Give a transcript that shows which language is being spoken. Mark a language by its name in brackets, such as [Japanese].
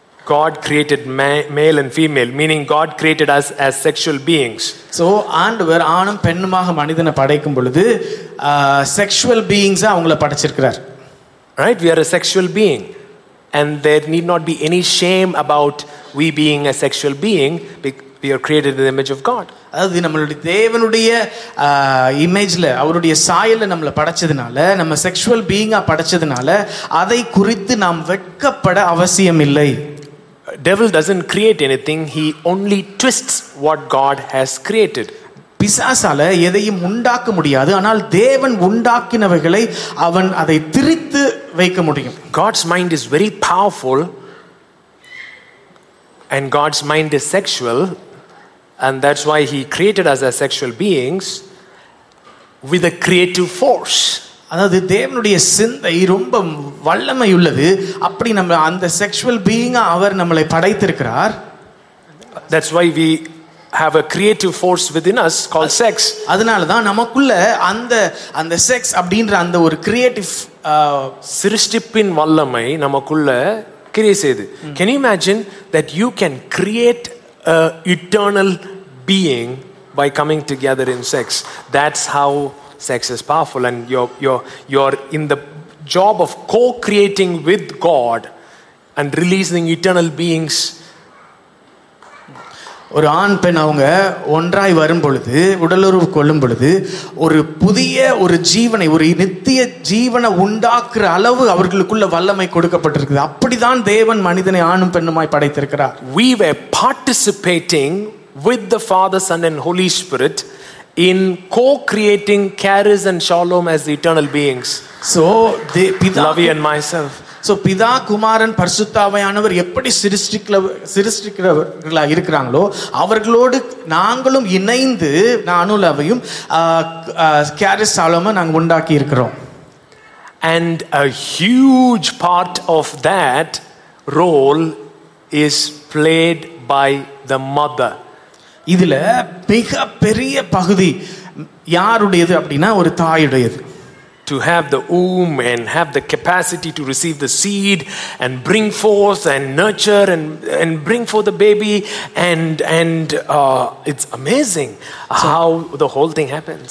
[English] God created male and female, meaning God created us as sexual beings. [Tamil] So ஆண்டவர் ஆணும் பெண்ணுமாக மனிதனை படைக்கும் பொழுது [English] sexual பீயிங்ஸாக [Tamil] அவங்கள படைச்சிருக்கிறார். [English] Right, we are a sexual being. And there need not be any shame about we being a sexual being, because we are created in the image of God. [Tamil] அது நம்மளுடைய தேவனுடைய இமேஜ்ல அவருடைய சாயல்ல நம்மளை படைச்சதுனால நம்ம செக்ஷுவல் பீயிங்கா படைச்சதுனால அதை குறித்து நாம் வெட்கப்பட அவசியம் இல்லை. [English] Devil doesn't create anything, he only twists what God has created. [Tamil] பிசாசால எதையும் உண்டாக்க முடியாது, ஆனால் தேவன் உண்டாக்கினவைகளை அவன் அதை திரித்து வைக்க முடியும். [English] God's mind is very powerful and God's mind is sexual, and that's why he created us as sexual beings with a creative force. [Tamil] அதாவது தேவனுடைய சிந்தை ரொம்ப வல்லமை உள்ளது. அப்படி நம்ம அந்த [English] sexual being [Tamil] அவர் நம்மளை படைத்திருக்கிறார். [English] That's why we have a creative force within us called sex. [Tamil] அதனால தான் நமக்குள்ள அந்த sex அப்படிங்கற அந்த ஒரு creative சிருஷ்டிப்பின் வல்லமை நமக்குள்ள கிரியே செய்து. [English] Can you imagine that you can create a eternal being by coming together in sex? That's how sex is powerful, and you're in the job of co-creating with God and releasing eternal beings. [Tamil] ஒரு ஆண் பெண் அவங்க ஒன்றாய் வரும் பொழுது உடலுறவு கொள்ளும் பொழுது ஒரு புதிய ஒரு ஜீவனை, ஒரு நித்திய ஜீவனை உண்டாக்குற அளவு அவர்களுக்குள்ள வல்லமை கொடுக்கப்பட்டிருக்குது. அப்படிதான் தேவன் மனிதனை ஆணும் பெண்ணுமாய் படைத்திருக்கிறார். [English] We were participating with the Father, Son and Holy Spirit in co-creating Charis and Shalom as eternal beings. So Lovey and myself. [Tamil] So பிதா குமாரன் பரிசுத்தாவையானவர் எப்படி சிருஷ்டிக்கிறவர்களாக இருக்கிறாங்களோ அவர்களோடு நாங்களும் இணைந்து நானுலாவையும் கேரிஸ் சாலோமன் நாங்கள் உண்டாக்கி இருக்கிறோம். [English] And a huge part of that role is played by the mother. [Tamil] இதில் மிக பெரிய பகுதி யாருடையது அப்படின்னா ஒரு தாயுடையது. [English] to have the womb and have the capacity to receive the seed and bring forth and nurture and bring forth the baby and it's amazing how the whole thing happens.